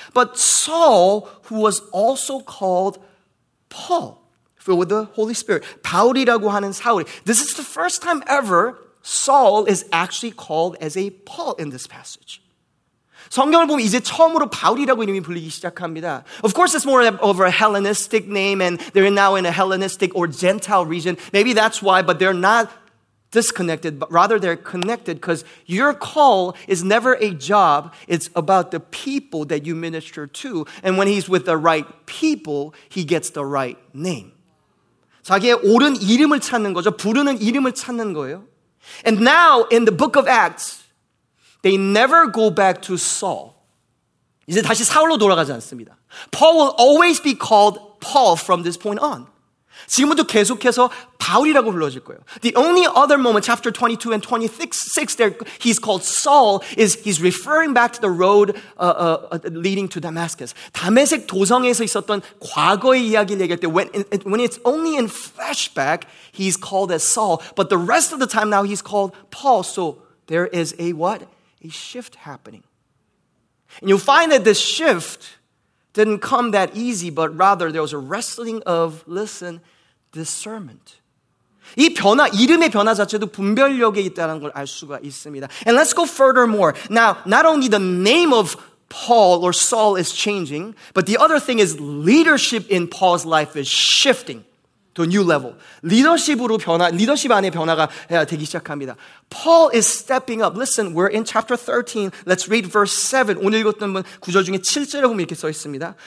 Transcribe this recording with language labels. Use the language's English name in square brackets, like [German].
[English] But Saul, who was also called Paul, filled with the Holy Spirit. [Korean] 바울이라고 하는 사울. [English] This is the first time ever Saul is actually called as a Paul in this passage. [Korean] 성경을 보면 이제 처음으로 바울이라고 이름이 불리기 시작합니다. [English] Of course, it's more of a Hellenistic name, and they're now in a Hellenistic or Gentile region. Maybe that's why, but they're not disconnected, but rather they're connected, because your call is never a job. It's about the people that you minister to. And when he's with the right people, he gets the right name. [Korean] 자기의 옳은 이름을 찾는 거죠. 부르는 이름을 찾는 거예요. [English] And now in the book of Acts, they never go back to Saul. [Korean] 이제 다시 사울로 돌아가지 않습니다. [English] Paul will always be called Paul from this point on. [Korean] 지금부터 계속해서 바울이라고 불러질 거예요. [English] The only other moment, chapter 22 and 26, there he's called Saul, is he's referring back to the road leading to Damascus. [Korean] 다메섹 도성에서 있었던 과거의 이야기를 얘기할 때, [English] when it's only in flashback, he's called as Saul. But the rest of the time now, he's called Paul. So there is a what? A shift happening. And you'll find that this shift didn't come that easy, but rather there was a wrestling of, listen, discernment. [Korean] 이 변화, 이름의 변화 자체도 분별력에 있다는 걸 알 수가 있습니다. [English] And let's go furthermore. Now, not only the name of Paul or Saul is changing, but the other thing is leadership in Paul's life is shifting to a new level. [Korean] 리더십으로 변화, 리더십 안에 변화가 되기 시작합니다. [English] Paul is stepping up. Listen, we're in chapter 13. Let's read verse 7. [Korean] 오늘 읽었던 분 구절 중에 7절에 보면 이렇게 써 있습니다.